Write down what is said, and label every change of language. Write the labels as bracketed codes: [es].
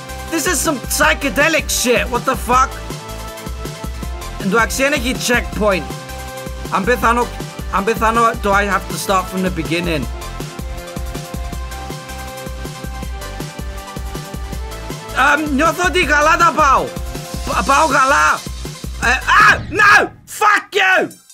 [en] This is some psychedelic shit, what the fuck? [el] Εντωμεταξύ έχει checkpoint. [en] Αν πεθάνω, do I have to start from the beginning? [el] Νιώθω ότι καλά τα πάω. Πάω καλά. [en] No! Fuck you!